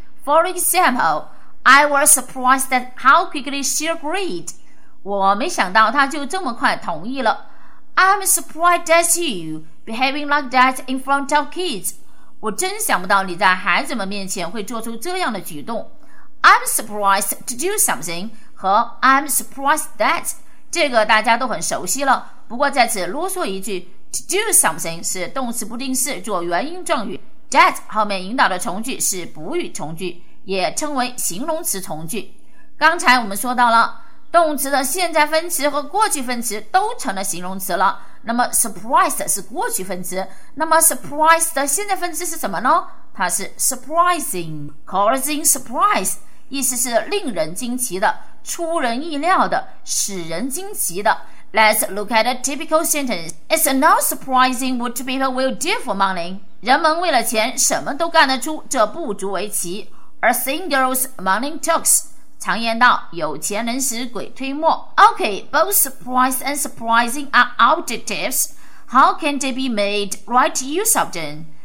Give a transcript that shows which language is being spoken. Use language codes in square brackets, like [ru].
[en] For example,I was surprised at how quickly she agreed. [zh] 我没想到她就这么快同意了。 [en] I'm surprised at you behaving like that in front of kids. [zh] 我真想不到你在孩子们面前会做出这样的举动。 [en] I'm surprised to do something 和 I'm surprised that [zh] 这个大家都很熟悉了。不过在此啰嗦一句， to do something 是动词不定式做原因状语， that 后面引导的从句是补语从句，也称为形容词从句。刚才我们说到了动词的现在分词和过去分词都成了形容词了，那么 surprised 是过去分词，那么 surprised 的现在分词是什么呢？它是 surprising, [en] causing surprise, [zh] 意思是令人惊奇的、出人意料的、使人惊奇的。 [en] Let's look at a typical sentence. It's not surprising what people will do for money. [zh] 人们为了钱什么都干得出，这不足为奇。 [en] A single's money talks. [zh] 常言道，有钱能使鬼推磨。 [en] Okay, both surprise and surprising are adjectives. How can they be made right use of them?